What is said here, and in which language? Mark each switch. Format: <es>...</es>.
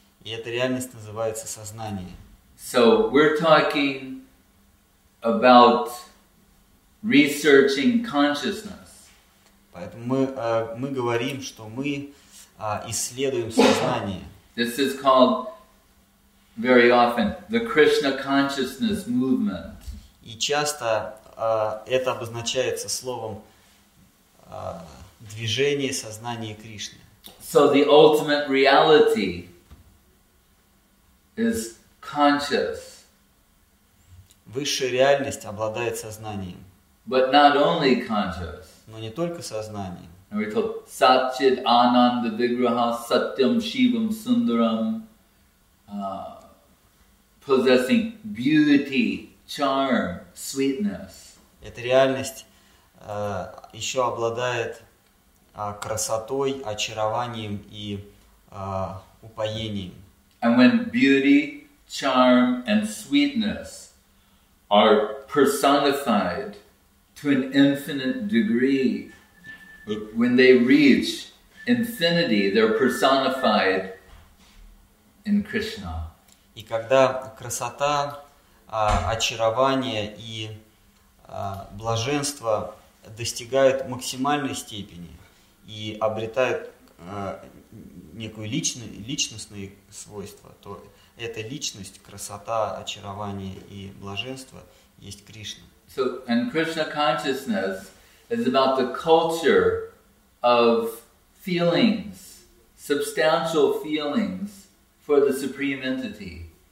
<ru>И эта реальность называется сознание.</ru> <en>So we're talking about researching consciousness.</en> <ru>Поэтому мы говорим, что мы исследуем сознание.</ru> <en>This is called very often the Krishna consciousness movement.</en> <ru>И часто это обозначается словом движение сознания Кришны.</ru> <en>So the ultimate reality is conscious.</en> <ru>Высшая реальность обладает сознанием.</ru> <en>But not only conscious.</en> <ru>Но не только сознанием.</ru> <en>And we're told</en> <sa>Satchit Ananda Vigraha Satyam Shivam Sundaram,</sa> <en>possessing beauty, charm, sweetness.</en> <ru>Эта реальность еще обладает красотой, очарованием и упоением.</ru> <en>And when beauty, charm, and sweetness are personified to an infinite degree, when they reach infinity, they're personified in Krishna.</en> <ru>И когда красота, очарование и блаженство достигают максимальной степени и обретают некую личностные свойства, то эта личность, красота, очарование и блаженство есть Кришна.</ru> <en>So, and Krishna consciousness is about the culture of feelings, substantial feelings for the Supreme Entity.</en>